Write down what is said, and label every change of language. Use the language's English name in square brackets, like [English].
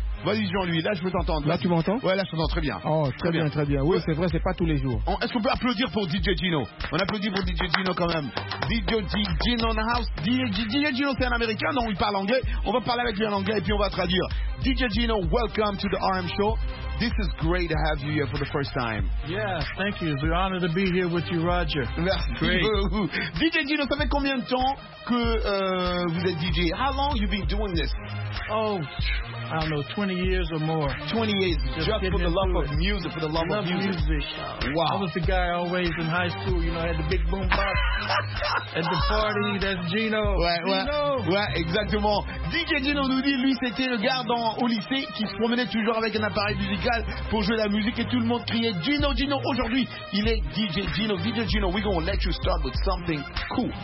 [French] Vas-y, Jean-Louis, là, je peux t'entendre. Là, tu m'entends? Ouais, là, je t'entends très bien. Oh, très bien. Oui, c'est vrai, c'est pas tous les jours. Est-ce qu'on peut applaudir pour DJ Gino? On applaudit pour DJ Gino quand même. [English] DJ Gino in the house. [French] DJ Gino, c'est un Américain? Non, il parle anglais. On va parler avec lui en anglais et puis on va traduire. [English] DJ Gino, welcome to the RM Show. This is great to have you here for the first time. Yeah, thank you. It's an honor to be here with you, Roger. [French] Merci. DJ Gino, ça fait combien de temps que vous êtes DJ? [English] How long have you been doing this? Oh, I don't know, 20 years or more. 20 years, just for the love of music, for the love of music. Love music. Wow. I was the guy always in high school, you know, I had the big boom box at the party, that's Gino. [French] Ouais, exactement. DJ Gino nous dit, lui, c'était le gars au lycée qui se promenait toujours avec un appareil musical pour jouer la musique et tout le monde criait Gino, Gino. Aujourd'hui, il est DJ Gino. [English] DJ Gino, we're going to let you start with something cool.